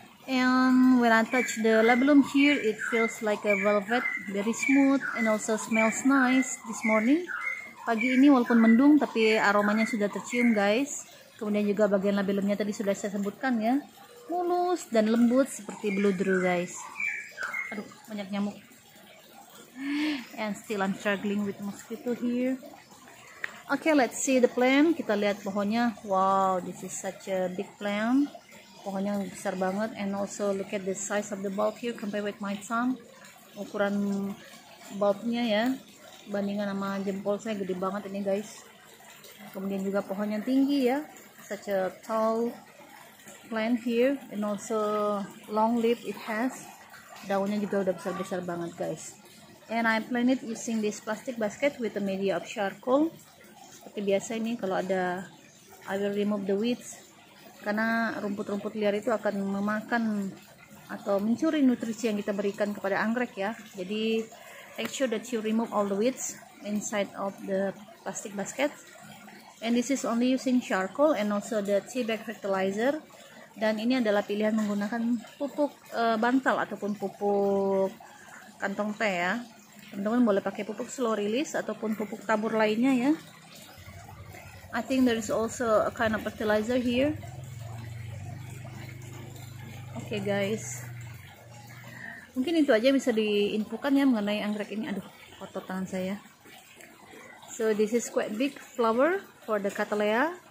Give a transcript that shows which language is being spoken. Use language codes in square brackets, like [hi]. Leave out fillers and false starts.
[en] And when I touch the labellum here, it feels like a velvet, very smooth, and also smells nice this morning. [id] Pagi ini walaupun mendung, tapi aromanya sudah tercium, guys. Kemudian juga bagian labelumnya tadi sudah saya sebutkan ya. Mulus dan lembut seperti blue drew, guys. Aduh, banyak nyamuk. [en] And still I'm struggling with mosquito here. Okay, let's see the plant. [id] Kita lihat pohonnya. [en] Wow, this is such a big plant. [id] Pohonnya besar banget. [en] And also look at the size of the bulb here compared with my thumb. [id] Ukuran bulbnya ya. Bandingan sama jempol saya gede banget ini, guys. Kemudian juga pohonnya tinggi ya. [en] Such a tall plant here and also long leaf it has. [id] Daunnya juga udah besar-besar banget, guys. [en] And I plant it using this plastic basket with a media of charcoal. [id] Seperti biasa ini kalau ada, [en] I will remove the weeds [id] karena rumput-rumput liar itu akan memakan atau mencuri nutrisi yang kita berikan kepada anggrek ya. [en] Jadi make sure that you remove all the weeds inside of the plastic basket. And this is only using charcoal and also the tea bag fertilizer. [id] Dan ini adalah pilihan menggunakan pupuk bantal ataupun pupuk kantong teh ya. Teman-teman boleh pakai pupuk slow release ataupun pupuk tabur lainnya ya. [en] I think there is also a kind of fertilizer here. Okay, guys. [id] Mungkin itu aja bisa diinfokan ya mengenai anggrek ini. Aduh, kotor tangan saya. [en] So this is quite big flower for the Cattleya.